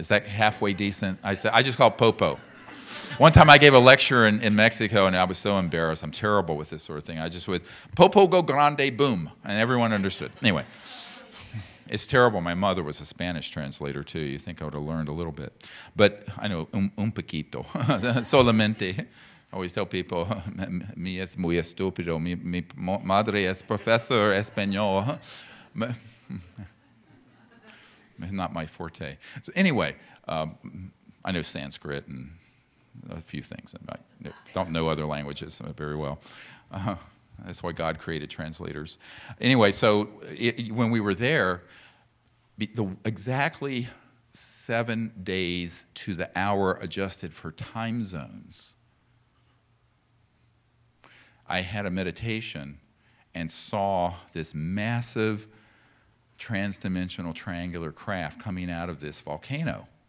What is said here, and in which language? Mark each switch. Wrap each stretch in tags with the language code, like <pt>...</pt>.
<en>Is that halfway decent? I just call it Popo. One time I gave a lecture in Mexico, and I was so embarrassed. I'm terrible with this sort of thing. I just went, Popo go grande, boom, and everyone understood. Anyway, it's terrible. My mother was a Spanish translator, too. You think I would have learned a little bit. But I know,</en> <es>un poquito, solamente.</es> <en>I always tell people,</en> <es>mi es muy estúpido, mi madre es profesor español.</es> <en>Not my forte. So anyway, I know Sanskrit and a few things. I don't know other languages very well. That's why God created translators. Anyway, so when we were there, exactly 7 days to the hour adjusted for time zones, I had a meditation and saw this massive transdimensional triangular craft coming out of this volcano.</en>